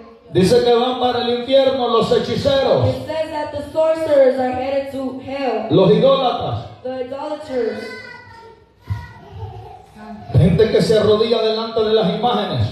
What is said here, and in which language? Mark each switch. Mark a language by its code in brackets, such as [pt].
[es] Dice que van para el infierno los hechiceros. [en] It says that the sorcerers are headed to hell. [es] Los idólatras. [en] The idolaters. [es] Gente que se arrodilla delante de las imágenes.